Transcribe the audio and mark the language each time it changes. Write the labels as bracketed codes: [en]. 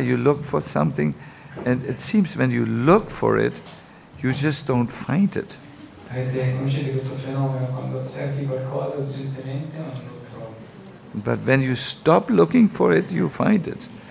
[en] You look for something, and it seems when you look for it, you just don't find it. [it] Avete conosciuto questo fenomeno quando cerchi qualcosa urgentemente? [en] But when you stop looking for it, you find it.